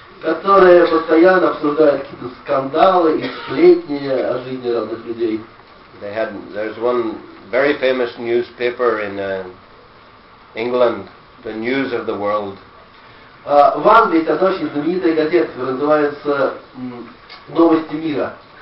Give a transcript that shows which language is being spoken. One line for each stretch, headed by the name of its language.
Russian: Которые постоянно обсуждают какие-то скандалы и сплетни о жизни разных людей.
English: There's one very famous newspaper in England, the News of the World.
Russian: В Англии есть одна очень знаменитая газета, которая называется «Новости мира».